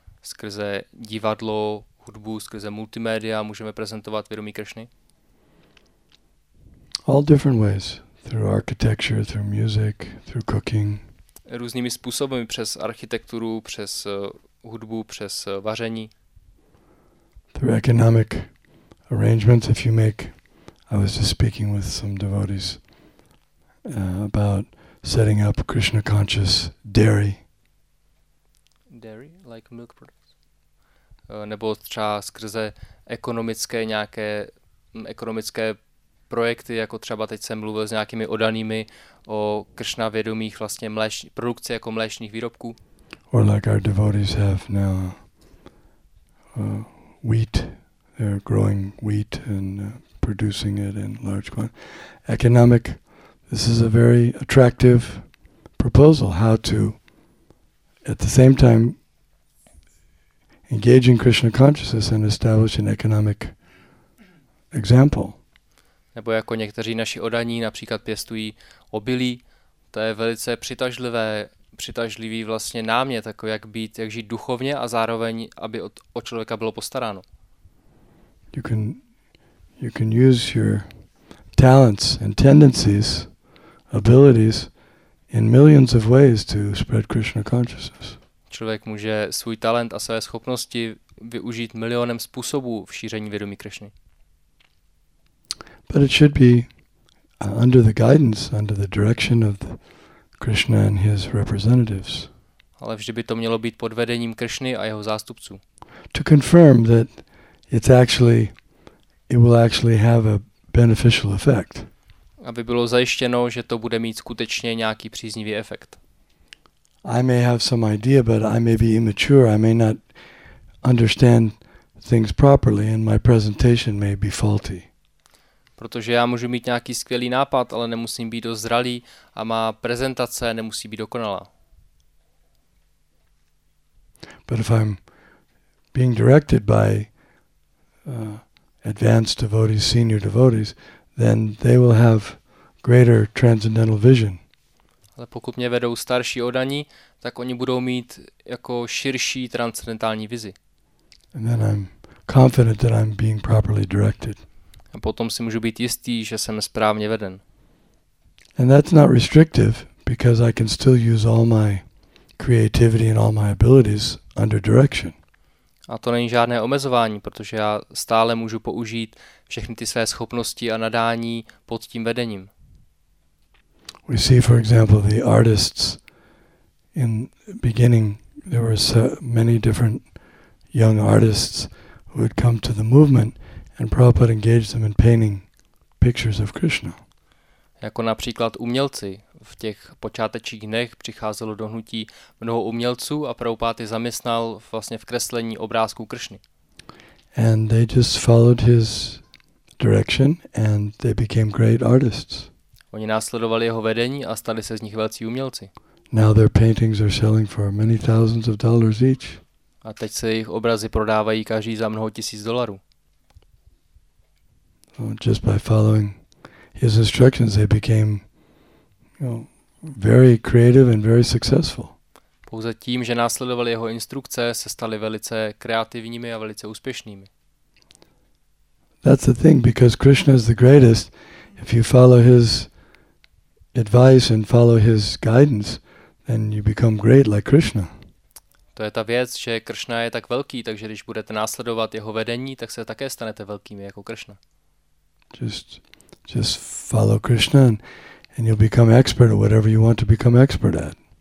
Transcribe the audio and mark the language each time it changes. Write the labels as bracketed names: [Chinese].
[Czech] Skrze divadlo, hudbu, skrze multimédia můžeme prezentovat vědomí Krishny. [English] All different ways. Through architecture, through music, through cooking. [Czech] Různými způsoby, přes architekturu, přes hudbu, přes vaření. [English] Through economic arrangements, if you make. I was just speaking with some devotees about setting up Krishna conscious dairy. Dairy, like milk products. [Czech] Nebo třeba skrze ekonomické nějaké ekonomické projekty, jako třeba teď jsem mluvil s nějakými odanými o Krishna vědomých vlastně produkce jako mléčných výrobků. [English] Or like our devotees have now wheat, they're growing wheat and producing it in large quantities. Economic, this is a very attractive proposal, how to at the same time engage in Krishna consciousness and establish an economic example. [Czech] Nebo jako někteří naši odaní například pěstují obilí. To je velice přitažlivý vlastně námět, jako jak být, jak žít duchovně a zároveň, aby o člověka bylo postaráno. [English] You can use your talents and tendencies, abilities in millions of ways to spread Krishna consciousness. [Czech] Člověk může svůj talent a své schopnosti využít milionem způsobů v šíření vědomí Krišny. [English] But it should be under the guidance, under the direction of Krishna and his representatives. [Czech] Ale vždy by to mělo být pod vedením Krišny a jeho zástupců. [English] To confirm that it will actually have a beneficial effect. [Czech] Aby bylo zajištěno, že to bude mít skutečně nějaký příznivý efekt. [English] I may have some idea, but I may be immature. I may not understand things properly and my presentation may be faulty. [Czech] Protože já můžu mít nějaký skvělý nápad, ale nemusím být dozralý a má prezentace nemusí být dokonalá. [English] But if I'm being directed by advanced devotees, senior devotees, then they will have greater transcendental vision. [Czech] Ale pokud mě vedou starší odaní, tak oni budou mít jako širší transcendentální vizi. [English] And then I'm confident that I'm being properly directed. [Czech] A potom si můžu být jistý, že jsem správně veden. [English] And that's not restrictive because I can still use all my creativity and all my abilities under direction. [Czech] A to není žádné omezování, protože já stále můžu použít všechny ty své schopnosti a nadání pod tím vedením. [English] We see for example the artists in beginning there were so many different young artists who had come to the movement and Prabhupada engaged them in painting pictures of Krishna. [Czech] Jako například umělci v těch počátečních dnech přicházelo do hnutí mnoho umělců a Prabhupada je zaměstnal vlastně v kreslení obrázků Krishny. [English] And they just followed his direction and they became great artists. [Czech] Oni následovali jeho vedení a stali se z nich velcí umělci. [English] Now their paintings are selling for many thousands of dollars each. [Czech] A teď se jejich obrazy prodávají každý za mnoho tisíc dolarů. [English] So just by following his instructions they became very creative and very successful. [Czech] Pouze tím, že následovali jeho instrukce, se stali velice kreativními a velice úspěšnými. [English] That's the thing, because Krishna is the greatest. If you follow his advice and follow his guidance, then you become great like Krishna. [Czech] To je ta věc, že Krishna je tak velký, takže když budete následovat jeho vedení, tak se také stanete velkými jako Krishna. [English] Just follow Krishna and you'll become expert at whatever you want to become expert at.